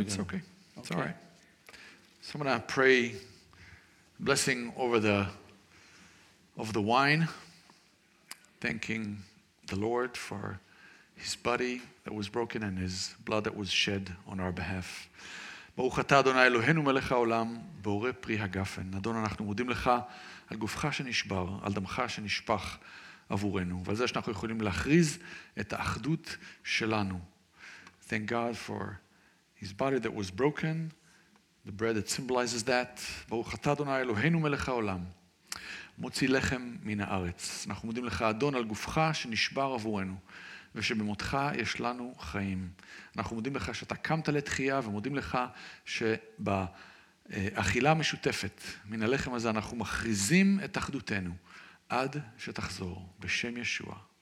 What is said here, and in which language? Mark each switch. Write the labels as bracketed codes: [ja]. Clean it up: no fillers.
[en] it's gonna... okay. It's all right. So I'm going to pray blessing over the wine, thanking the Lord for his body that was broken and his blood that was shed on our behalf. [he] ברוך אתה אדוני אלוהינו מלך העולם, בורא פרי הגפן. אדון, אנחנו מודים לך על גופך שנשבר, על דמך שנשפך עבורנו. ועל זה שאנחנו יכולים להכריז את האחדות שלנו. [en] Thank God for his body that was broken, the bread that symbolizes that. [he] ברוך אתה אדוני אלוהינו מלך העולם, מוציא לחם מן הארץ. אנחנו מודים לך אדון על גופך שנשבר עבורנו. ושבמותך יש לנו חיים. אנחנו מודים לך שאתה קמת לתחייה, ומודים לך שבאכילה המשותפת מן הלחם הזה אנחנו מכריזים את אחדותנו עד שתחזור בשם ישוע.